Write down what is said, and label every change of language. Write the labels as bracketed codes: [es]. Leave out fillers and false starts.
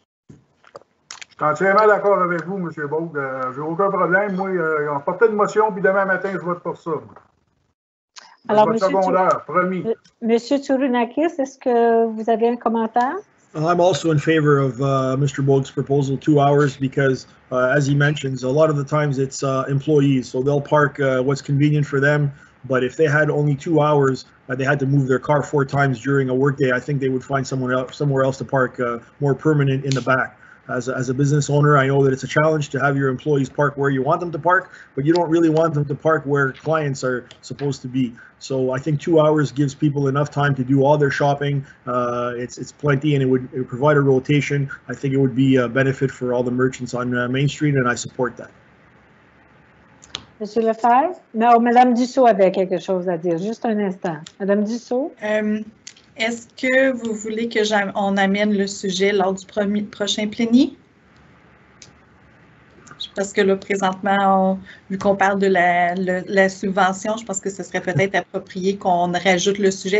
[fr] Je suis entièrement d'accord avec vous, M. Baud. Je n'ai aucun problème. Moi, on portait une motion, puis demain matin, je vote pour ça. Alors, Monsieur Tourounakis, est-ce que vous avez un commentaire? [en] I'm also in favor of Mr. Bogue's proposal, 2 hours, because, as he mentions, a lot of the times it's employees, so they'll park what's convenient for them. But if they had only 2 hours, they had to move their car 4 times during a workday, I think they would find somewhere else to park more permanent in the back. As a business owner, I know that it's a challenge to have your employees park where you want them to park, but you don't really want them to park where clients are supposed to be. So I think 2 hours gives people enough time to do all their shopping. It's plenty, and it would provide a rotation. I think it would be a benefit for all the merchants on Main Street, and I support that. [fr] Monsieur Lefebvre? Non, Madame Dussault avait quelque chose à dire. Juste un instant. Madame Dussault? Est-ce que vous voulez que on amène le sujet lors du prochain plénier? Parce que là, présentement, vu qu'on parle de la subvention, je pense que ce serait peut-être approprié qu'on rajoute le sujet.